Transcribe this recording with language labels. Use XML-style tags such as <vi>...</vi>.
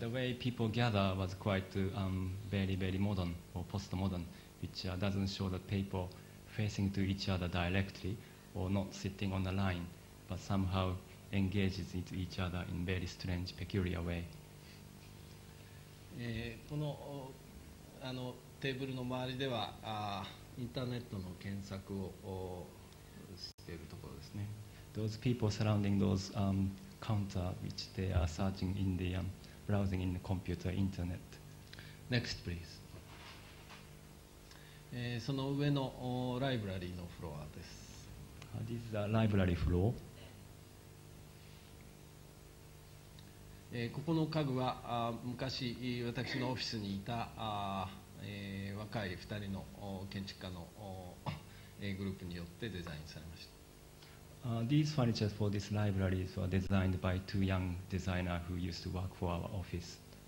<en>The way people gather was quite very, very modern or postmodern, which doesn't show that people facing to each other directly or not sitting on a line, but somehow engages into each other in very strange, peculiar way.</en> <ja>このあのテーブルの周りではインターネットの検索をしているところですね。</ja> <en>Those people surrounding those counter, which they are searching in the browsing in the computer, internet. Next, please.</en> <ja>その上のライブラリーのフロアです。</ja> <en>This is the library floor.</en> <ja>ここの家具は昔私のオフィスにいた若い二人の建築家のグループによってデザインされました。</ja> <en>These furnitures for this library were designed by two young designers who used to work for our office.</en>